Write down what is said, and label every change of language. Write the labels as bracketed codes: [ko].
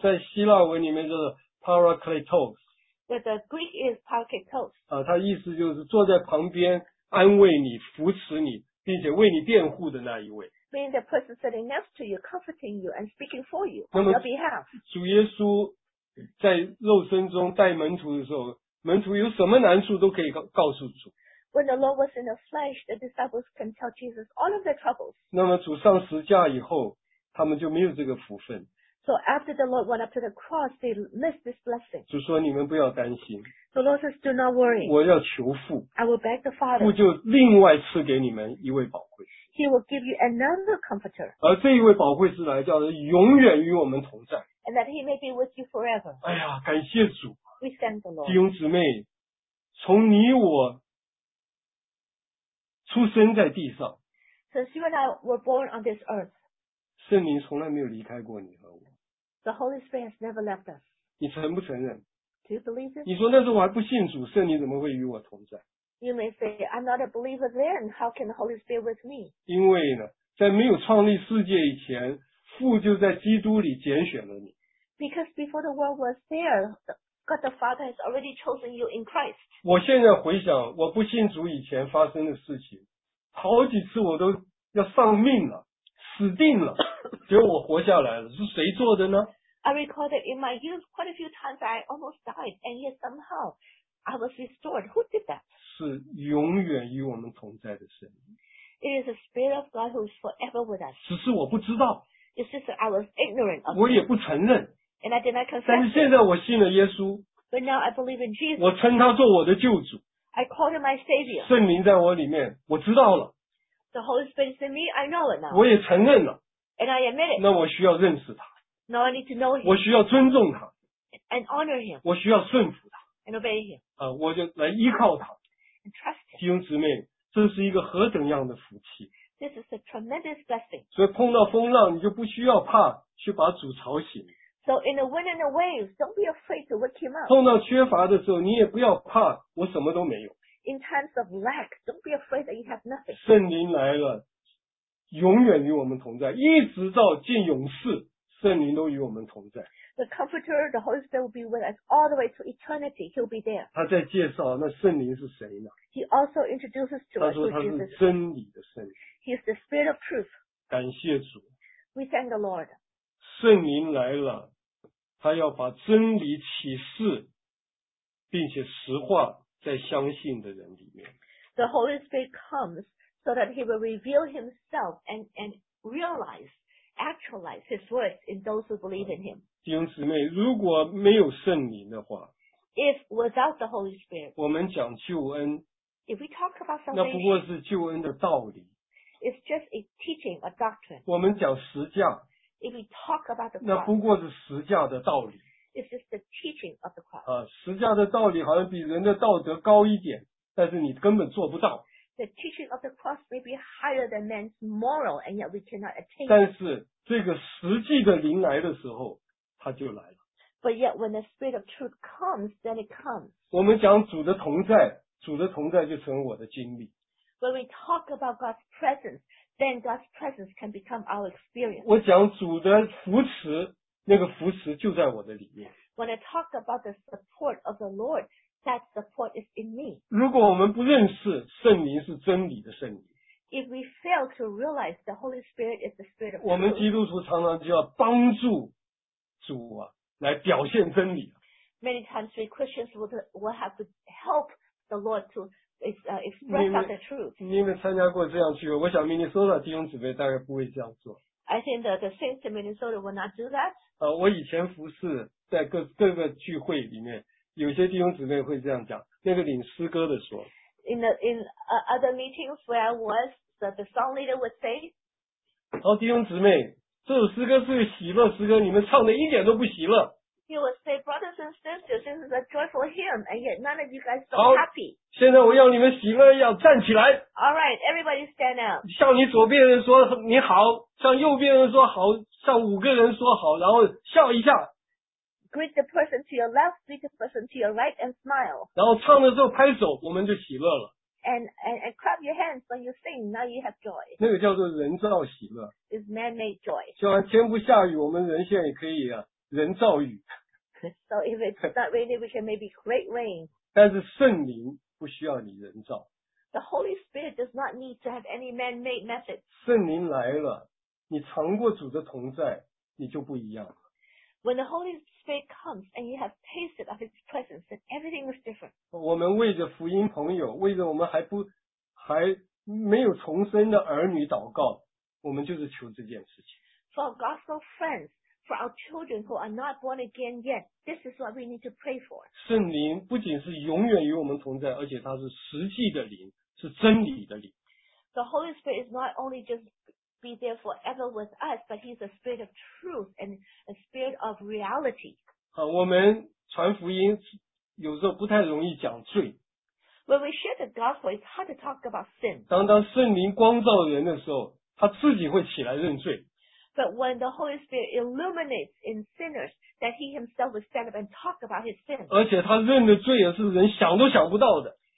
[zh] 在希腊文里面就是 parakletos。 [en] The Greek is parakletos. [zh] 它意思就是坐在旁边。安慰你扶持你并且为你辩护的那一位。 [en] Being the person sitting next to you, comforting you, and speaking for you on your behalf. [zh] 主耶稣在肉身中带门徒的时候，门徒有什么难处都可以告诉主。 [en] When the Lord was in the flesh, the disciples can tell Jesus all of their troubles. [zh] 那么主上十架以后，他们就没有这个福分。 [en] So after the Lord went up to the cross, they missed this blessing. [zh] 主说你们不要担心。 [en] The Lord says, "Do not worry." [zh] 我要求父。 [en] I will beg the Father. [zh] 父就另外赐给你们一位保惠师。 [en] He will give you another comforter. [zh] 而这一位保惠师来叫永远与我们同在。 [en] And that he may be with you forever. [zh] 哎呀，感谢主。 [en] We thank the Lord. [zh] 弟兄姊妹，从你我出生在地上。 [en] Since you and I were born on this earth. [zh] 圣灵从来没有离开过你和我。 [en] The Holy Spirit has never left us. [zh] 你承不承认？ [en] Do you believe it? [zh] 你说那时候我还不信主，圣灵怎么会与我同在？ [en] You may say, I'm not a believer then. How can the Holy Spirit with me? [zh] 因为呢，在没有创立世界以前，父就在基督里拣选了你。 [en] Because before the world was there, God the Father has already chosen you in Christ. [zh] 我现在回想我不信主以前发生的事情，好几次我都要丧命了。死定了，结果我活下来了，是谁做的呢？ [en] I recall that in my youth, quite a few times I almost died, and yet somehow I was restored. Who did that? [zh] 是永远与我们同在的神。 [en] It is the Spirit of God who is forever with us. [zh] 只是我不知道。 [en] It's just that I was ignorant of. [zh] 我也不承认。 [en] And I did not confess. [zh] 但是现在我信了耶稣。 [en] But now I believe in Jesus. [zh] 我称他做我的救主。 [en] I call him my savior. [zh] 圣灵在我里面，我知道了。 [en] The Holy Spirit is in me. I know it now. [zh] 我也承认了。 [en] And I admit it. [zh] 那我需要认识他。 [en] Now I need to know him. [zh] 我需要尊重他。 [en] And honor him. [zh] 我需要顺服他。 [en] And obey him. [zh] 我就来依靠他。 [en] And trust him. [zh] 弟兄姊妹，这是一个何等样的福气。 [en] This is a tremendous blessing. [zh] 所以碰到风浪，你就不需要怕去把主吵醒。 [en] So in the wind and the waves, don't be afraid to wake him up. [zh] 碰到缺乏的时候，你也不要怕，我什么都没有。 [en] In times of lack, don't be afraid that you have nothing. [zh] 圣灵来了。永远与我们同在，一直到进永世，圣灵都与我们同在。 [en] The Comforter, the Holy Spirit will be with us all the way to eternity. He'll be there. [zh] 他在介绍那圣灵是谁呢 [en] ？He also introduces to us. [zh] 他说他是真理的圣灵。 [en] He is the Spirit of Truth. [zh] 感谢主。 [en] We thank the Lord. [zh] 圣灵来了，他要把真理启示，并且实化在相信的人里面。 [en] The Holy Spirit comes. So that he will reveal himself and realize, actualize his words in those who believe in him. [zh] 弟兄姊妹，如果没有圣灵的话 [en] ，If without the Holy Spirit, [zh] 我们讲救恩 [en] ，If we talk about salvation, [zh] 那不过是救恩的道理 [en] ，It's just a teaching, a doctrine. [zh] 我们讲十架 [en] ，If we talk about the cross, [zh] 那不过是十架的道理 [en] ，It's just the teaching of the cross. [zh] 十架的道理好像比人的道德高一点，但是你根本做不到。 [en] The teaching of the cross may be higher than man's moral, and yet we cannot attain. [zh] 但是这个实际的灵来的时候，他就来了。 [en] But yet, when the Spirit of Truth comes, then it comes. [zh] 我们讲主的同在，主的同在就成我的经历。 [en] When we talk about God's presence, then God's presence can become our experience. [zh] 我讲主的扶持，那个扶持就在我的里面。 [en] When I talk about the support of the Lord. That support is in me. [zh] 如果我们不认识圣灵是真理的圣灵 [en] ，If we fail to realize the Holy Spirit is the Spirit of truth, [zh] 我们基督徒常常就要帮助主啊，来表现真理。 [en] Many times we Christians will have to help the Lord to express out the truth. [zh] 你有没有参加过这样聚会？我想明尼苏达弟兄姊妹大概不会这样做。 [en] I think the saints in Minnesota will not do that. [zh] 我以前服侍在各个聚会里面。有些弟兄姊妹会这样讲，那个领诗歌的说。 [en] In other meetings where I was, the song leader would say. [zh] 好，弟兄姊妹，这首诗歌是个喜乐诗歌，你们唱的一点都不喜乐。 [en] He would say, brothers and sisters, this is a joyful hymn, and yet none of you guys are happy. [zh] 好，现在我要你们喜乐，要站起来。 [en] All right, everybody stand up. [zh] 向你左边人说你好，向右边人说好，向五个人说好，然后笑一下。 [en] Greet the person to your left, greet the person to your right, and smile. [zh] 然后唱的时候拍手，我们就喜乐了。 [en] And clap your hands when you sing. Now you have joy. [zh] 那个叫做人造喜乐。 [en] It's man-made joy. [zh] 就像天不下雨，我们人现在也可以啊，人造雨。 [en] So if it's not raining, we can maybe create rain. [zh] 但是圣灵不需要你人造。 [en] The Holy Spirit does not need to have any man-made methods. [zh] 圣灵来了，你尝过主的同在，你就不一样。 [en] When the Holy Spirit comes and you have tasted of His presence, then everything is different. [zh] 我们为着福音朋友，为着我们还没有重生的儿女祷告，我们就是求这件事情。 [en] For our gospel friends, for our children who are not born again yet, this is what we need to pray for. [zh] 圣灵不仅是永远与我们同在，而且它是实际的灵，是真理的灵。 [en] The Holy Spirit is not only just be there forever with us, but he's a spirit of truth and a spirit of reality. [zh] 好，我们传福音有时候不太容易讲罪。 [en] When we share the gospel, it's hard to talk about sin. [zh] 当圣灵光照人的时候，他自己会起来认罪。 [en] But when the Holy Spirit illuminates in sinners, that he himself will stand up and talk about his sin. [zh] 而且他认的罪也是人想都想不到的。